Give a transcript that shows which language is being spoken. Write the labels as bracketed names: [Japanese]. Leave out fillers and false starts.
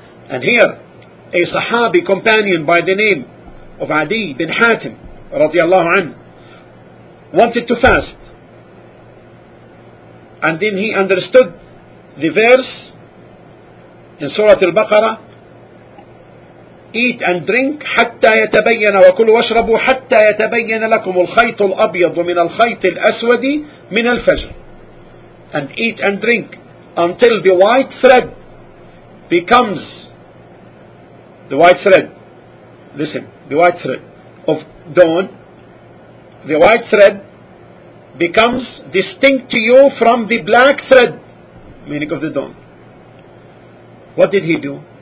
[English] And here, a Sahabi companion by the name of Adi bin Hatim radiallahu anhu wanted to fast. And then he understood the verse in Surah Al-Baqarah, eat and drink [Arabic] حَتَّى يَتَبَيَّنَ وَكُلُوا وَاشْرَبُوا حَتَّى يَتَبَيَّنَ لَكُمُ الْخَيْطُ الْأَبْيَضُ مِنَ الْخَيْطِ الْأَسْوَدِ مِنَ الْفَجْرِ. [English] And eat and drink until the white thread becomes the white thread, listen, the white thread of dawn, the white thread becomes distinct to you from the black thread, meaning of the dawn. What did he do?